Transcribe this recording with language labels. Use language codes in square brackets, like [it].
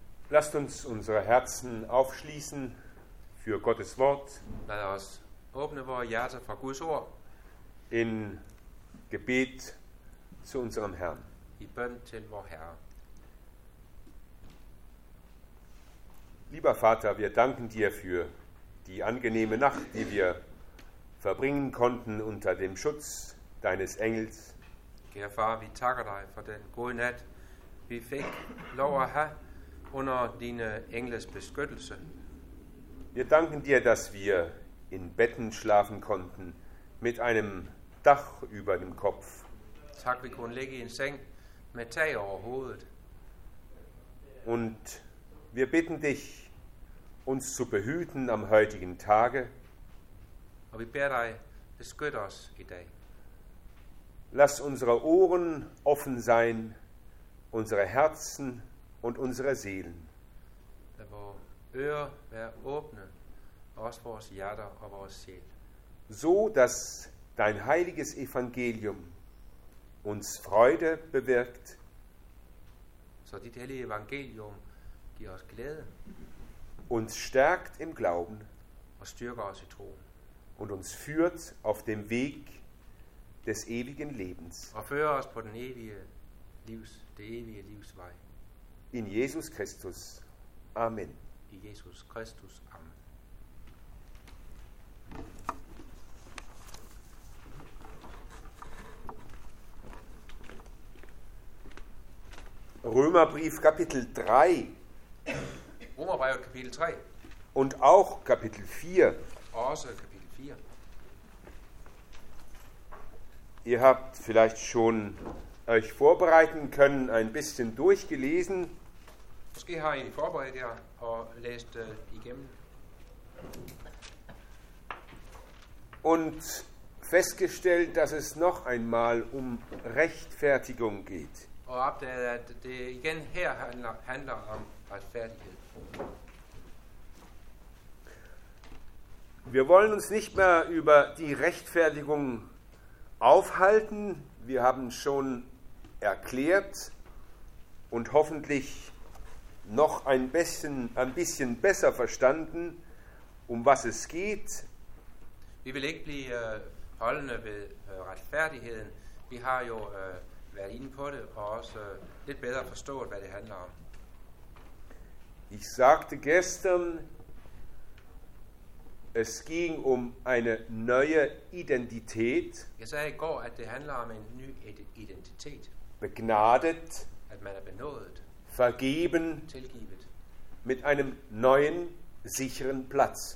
[de] Lasst uns unsere Herzen aufschließen für Gottes Wort. [da] Lad os åbne vores hjerter for Guds ord. [de] In Gebet zu unserem Herrn. [da] I bøn til vor Herre. [de] Lieber Vater, wir danken dir für die angenehme Nacht, die wir verbringen konnten unter dem Schutz deines Engels. [da] Kære far, vi takker dig for den gode nat, vi fik lov at have under dine engles beskyttelse. [de] Wir danken dir, dass wir in Betten schlafen konnten mit einem Dach über dem Kopf. [da] Tak, vi kunne ligge i en seng med tag over hovedet. [de] Und wir bitten dich, uns zu behüten am heutigen Tage. [da] Og vi beder dig, beskyt os i dag. [de] Lass unsere Ohren offen sein, unsere Herzen und unsere Seelen. [da] Lad vores ører være åbne, også vores hjerter og vores sjæl. [de] So, dass dein heiliges Evangelium uns Freude bewirkt. [da] Så dit hellige evangelium giver os glæde. [de] Uns stärkt im Glauben. [da] Og styrker os i troen. [de] Und uns führt auf dem Weg des ewigen Lebens. [da] Og fører os på den evige livs, det evige livs vej. [de] In Jesus Christus. Amen. [da] I Jesus Christus. Amen. [de] Römerbrief Kapitel 3. Römerbrief Kapitel 3. Und auch Kapitel 4. [da] Også Kapitel 4. [de] Ihr habt vielleicht schon euch vorbereiten können, ein bisschen durchgelesen. [da] Måske har I forberedt jer og læst igennem. [de] Und festgestellt, dass es noch einmal um Rechtfertigung geht. [da] Og opdaget, at det igen her handler om retfærdighed. [de] Wir wollen uns nicht mehr über die Rechtfertigung aufhalten. Wir haben schon erklärt und hoffentlich noch ein bisschen besser verstanden, um was es geht. [da] Vi vil ikke blive holdende ved retfærdigheden. Vi har jo været inde på det og også lidt bedre forstået, hvad det handler om. [de] Ich sagte gestern, es ging um eine neue Identität. [da] Jeg sagde i går, at det handler om en ny identitet. [de] Begnadet, [da] at man er benådet. [de] Vergeben, [da] tilgivet. [de] Mit einem neuen sicheren Platz.